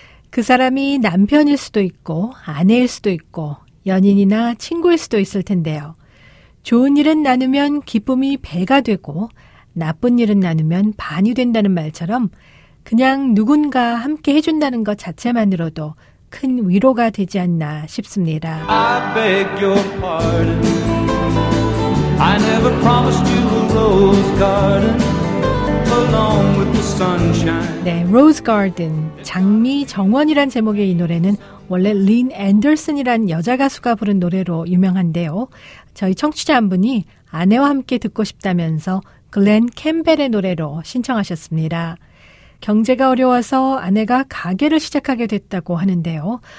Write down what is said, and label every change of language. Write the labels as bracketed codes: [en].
[ko] 그 사람이 남편일 수도 있고 아내일 수도 있고 연인이나 친구일 수도 있을 텐데요. 좋은 일은 나누면 기쁨이 배가 되고 나쁜 일은 나누면 반이 된다는 말처럼 그냥 누군가 함께 해준다는 것 자체만으로도 큰 위로가 되지 않나 싶습니다. [en] I beg your pardon. I never promised you a rose garden along with the sunshine. [ko] 네, Rose Garden, 장미 정원이란 제목의 이 노래는 원래 린 앤더슨이란 여자 가수가 부른 노래로 유명한데요. 저희 청취자 한 분이 아내와 함께 듣고 싶다면서 글렌 캠벨의 노래로 신청하셨습니다. 경제가 어려워서 아내가 가게를 시작하게 됐다고 하는데요.